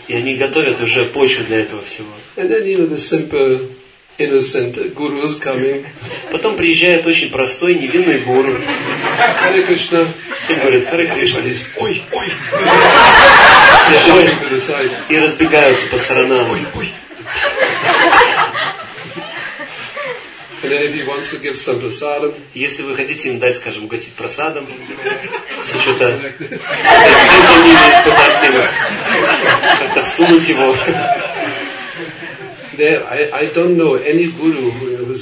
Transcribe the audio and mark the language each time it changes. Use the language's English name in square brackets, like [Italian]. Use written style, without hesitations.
[Russian] И они готовят уже почву для этого всего. [English] And then you know the simple, innocent guru is coming. [Russian] Потом приезжает очень простой, невинный гуру. Харе Кришна. Всем говорят, Харе Кришна. Ой, ой. Все ой. И разбегаются по сторонам. Ой, ой. [English] And then if he wants to give some prasadam, [Russian] если вы хотите им дать, скажем, угостить просадом, все что-то пытаться как-то всунуть его. [English] There, I don't know any guru who is